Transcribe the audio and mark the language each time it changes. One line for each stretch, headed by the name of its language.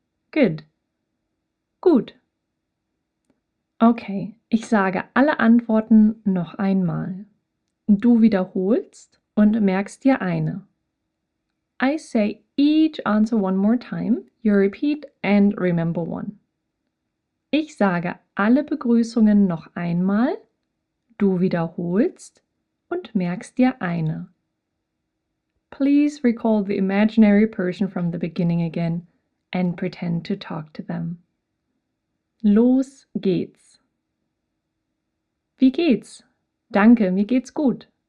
German: Good. Gut. Okay, ich sage alle Antworten noch einmal. Du wiederholst und merkst dir eine.
English: I say each answer one more time, you repeat and remember one.
German: Ich sage alle Begrüßungen noch einmal, du wiederholst und merkst dir eine.
English: Please recall the imaginary person from the beginning again and pretend to talk to them.
German: Los geht's. Wie geht's? Danke, mir geht's gut.